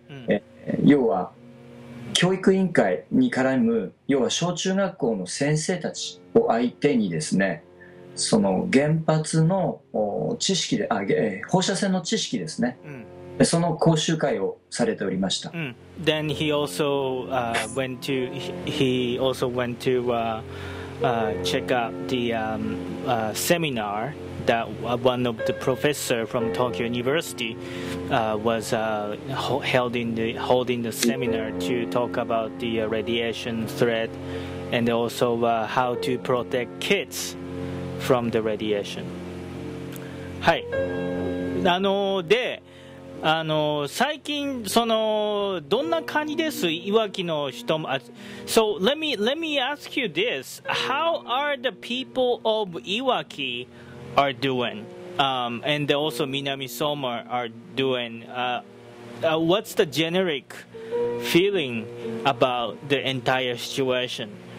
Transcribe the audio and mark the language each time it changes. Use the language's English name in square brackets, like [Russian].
[Japanese] うん、要は教育委員会に絡む、要は小中学校の先生たちを相手にですね、その原発の知識で、放射線の知識ですね、うん、その講習会をされておりました。うん、 [English] Then he also went to check out the seminar that one of the professor from Tokyo University was holding the seminar to talk about the radiation threat and also how to protect kids from the radiation. [Japanese] はい。で、最近そのどんな感じです？いわきの人も。 [English] So let me ask you this: How are the people of Iwaki are doing, and also 南相馬 are doing? What's the generic feeling about the entire situation?